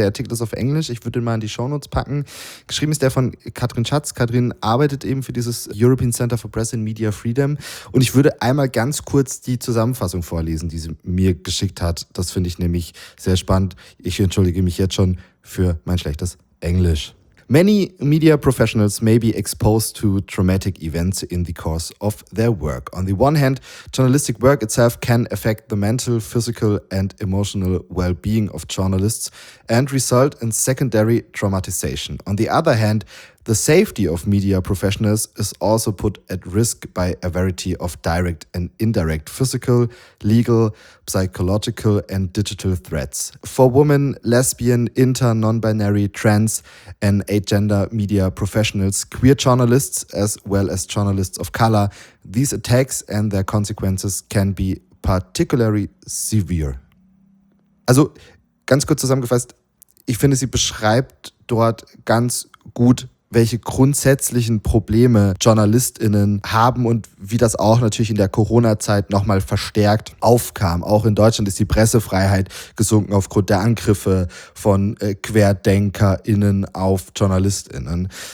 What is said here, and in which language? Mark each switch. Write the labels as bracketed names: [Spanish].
[German] Der Artikel ist auf Englisch, ich würde ihn mal in die Shownotes packen. Geschrieben ist der von Katrin Schatz. Katrin arbeitet eben für dieses European Center for Press and Media Freedom. Und ich würde einmal ganz kurz die Zusammenfassung vorlesen, die sie mir geschickt hat. Das finde ich nämlich sehr spannend. Ich entschuldige mich jetzt schon für mein schlechtes Englisch. [English] Many media professionals may be exposed to traumatic events in the course of their work. On the one hand, journalistic work itself can affect the mental, physical, and emotional well-being of journalists and result in secondary traumatization. On the other hand, the safety of media professionals is also put at risk by a variety of direct and indirect physical, legal, psychological, and digital threats. For women, lesbian, inter, non-binary, trans, and agender media professionals, queer journalists, as well as journalists of color, these attacks and their consequences can be particularly severe. [German] Also, ganz kurz zusammengefasst, ich finde, sie beschreibt dort ganz gut, welche grundsätzlichen Probleme JournalistInnen haben und wie das auch natürlich in der Corona-Zeit nochmal verstärkt aufkam. Auch in Deutschland ist die Pressefreiheit gesunken aufgrund der Angriffe von QuerdenkerInnen auf JournalistInnen.